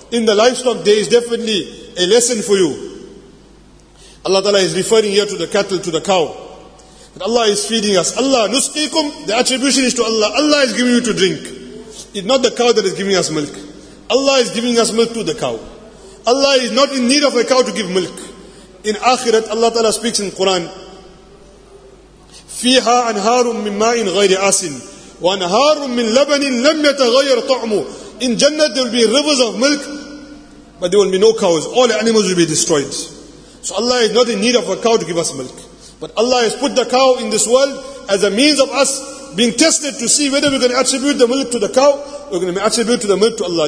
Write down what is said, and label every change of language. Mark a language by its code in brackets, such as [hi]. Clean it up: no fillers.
[en] In the livestock there is definitely a lesson for you. Allah ta'ala is referring here to the cattle, to the cow. But Allah is feeding us. Allah nusqikum, the attribution is to Allah. Allah is giving you to drink. It's not the cow that is giving us milk. Allah is giving us milk to the cow. Allah is not in need of a cow to give milk. In akhirat, Allah ta'ala speaks in Quran, [ar] فِيهَا أَنْهَارٌ مِّن مَّاءٍ غَيْرِ آسٍ وَأَنْهَارٌ مِّن لَبَنٍ لَمْ يَتَغَيَّرْ طَعْمُهُ. [en] In Jannah, there will be rivers of milk, but there will be no cows. All animals will be destroyed. So Allah is not in need of a cow to give us milk. But Allah has put the cow in this world as a means of us being tested to see whether we're going to attribute the milk to the cow or we're going to attribute the milk to Allah.